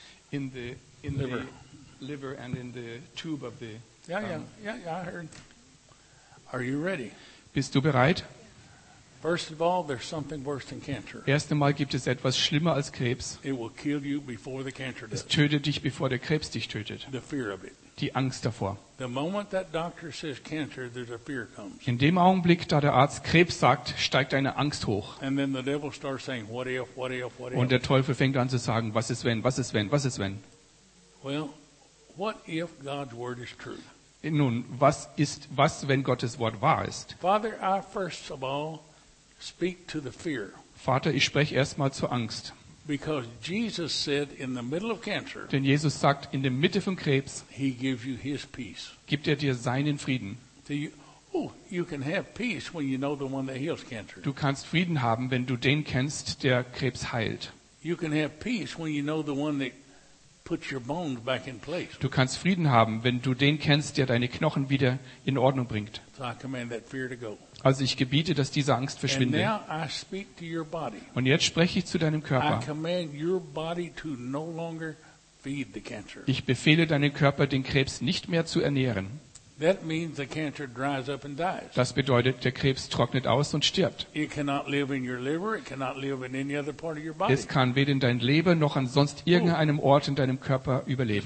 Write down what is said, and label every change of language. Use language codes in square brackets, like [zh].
[en] In the liver and in the tube of the. I heard. Are you ready? [de] Bist du bereit? [en] First of all, there's something worse than cancer. [de] Erst einmal gibt es etwas schlimmer als Krebs. [en] It will kill you before the cancer does. [de] Es tötet dich, bevor der Krebs dich tötet. [en] The fear of it. [de] Die Angst davor. [en] The moment that doctor says cancer, there's a fear comes. [de] In dem Augenblick, da der Arzt Krebs sagt, steigt eine Angst hoch. [en] And then the devil starts saying, what if, what if, what if? [de] Und der Teufel fängt an zu sagen, was ist wenn, was ist wenn, was ist wenn? [en] Well, what if God's word is true? [de] Nun, was wenn Gottes Wort wahr ist? [en] Father, I first of all speak to the fear. [de] Vater, ich spreche erstmal zur Angst. [en] Because Jesus said in the middle of cancer, [de] denn Jesus sagt, in der Mitte von Krebs, [en] he gives you his peace. [de] Gibt er dir seinen Frieden. [en] You can have peace when you know the one that heals cancer. [de] Du kannst Frieden haben, wenn du den kennst, der Krebs heilt. [en] You can have peace when you know the one that put your bones back in place. [de] Du kannst Frieden haben, wenn du den kennst, der deine Knochen wieder in Ordnung bringt. [en] So I command that fear to go. [de] Also ich gebiete, dass diese Angst verschwinde. [en] And now I speak to your body. [de] Und jetzt spreche ich zu deinem Körper. [en] I command your body to no longer feed the cancer. [de] Ich befehle deinem Körper, den Krebs nicht mehr zu ernähren. [en] That means the cancer dries up and dies. [de] Das bedeutet, der Krebs trocknet aus und stirbt. [en] It cannot live in your liver, it cannot live in any other part of your body. [de] Es kann weder in dein Leber noch an sonst irgendeinem Ort in deinem Körper überleben.